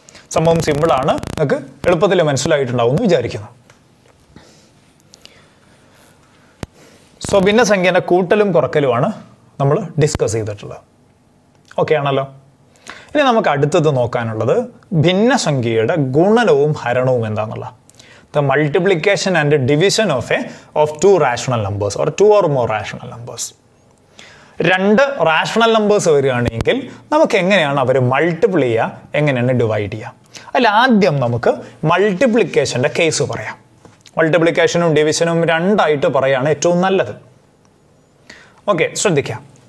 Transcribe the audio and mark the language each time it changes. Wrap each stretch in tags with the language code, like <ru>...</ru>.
<ml>സംഭവം സിമ്പിളാണ്, നിങ്ങൾക്ക് എളുപ്പത്തിൽ മനസ്സിലായിട്ടുണ്ടാവും എന്ന് വിചാരിക്കുന്നു. സോ ഭിന്നസംഖ്യയുടെ കൂട്ടലും കുറക്കലുമാണ് നമ്മൾ ഡിസ്കസ് ചെയ്തിട്ടുള്ളത്. ഓക്കെ ആണല്ലോ. ഇനി നമുക്ക് അടുത്തത് നോക്കാനുള്ളത് ഭിന്നസംഖ്യയുടെ ഗുണനവും ഹരണവും എന്താണെന്നുള്ള.</ml> <en>the multiplication and the division of two rational numbers or two or more rational numbers.</en> <ml>രണ്ട് റാഷണൽ നമ്പേഴ്സ് വരികയാണെങ്കിൽ നമുക്ക് എങ്ങനെയാണ് അവരെ മൾട്ടിപ്ലൈ ചെയ്യുക, എങ്ങനെയാണ് ഡിവൈഡ് ചെയ്യുക? അതിൽ ആദ്യം നമുക്ക് മൾട്ടിപ്ലിക്കേഷൻ്റെ കേസ് പറയാം. മൾട്ടിപ്ലിക്കേഷനും ഡിവിഷനും രണ്ടായിട്ട് പറയുകയാണ് ഏറ്റവും നല്ലത്. ഓക്കെ, ശ്രദ്ധിക്കാം.</ml>